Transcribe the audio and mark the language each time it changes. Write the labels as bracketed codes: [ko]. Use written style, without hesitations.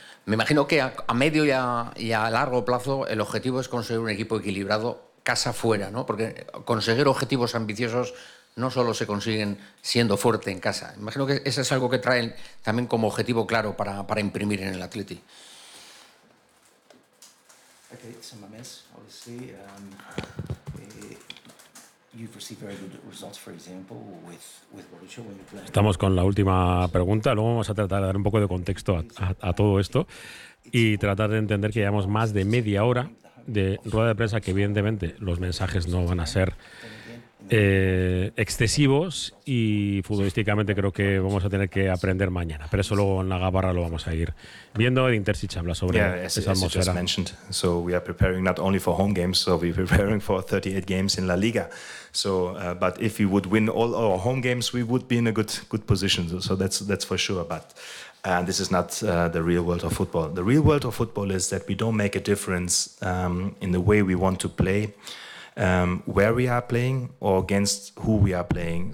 [es] Me imagino que a medio y a largo plazo el objetivo es conseguir un equipo equilibrado casa fuera, ¿no? Porque conseguir objetivos ambiciosos no solo se consiguen siendo fuerte en casa. Me imagino que eso es algo que traen también como objetivo claro para imprimir en el Atleti. [en] Okay, San Mamés, obviously, you've received very good results, for example, with Borussia when you play. [es] Estamos con la última pregunta. Luego vamos a tratar de dar un poco de contexto a todo esto y tratar de entender que llevamos más de media hora de rueda de prensa, que evidentemente los mensajes no van a ser excesivos, y futbolísticamente creo que vamos a tener que aprender mañana, pero eso luego en la gabarra lo vamos a ir viendo. De Intercic habla sobre esa atmósfera. [en] As you mentioned, so we are preparing not only for home games, so we're preparing for 38 games in La Liga. So, but if we would win all our home games, we would be in a good position. So that's for sure. But this is not the real world of football. The real world of football is that we don't make a difference in the way we want to play, where we are playing, or against who we are playing.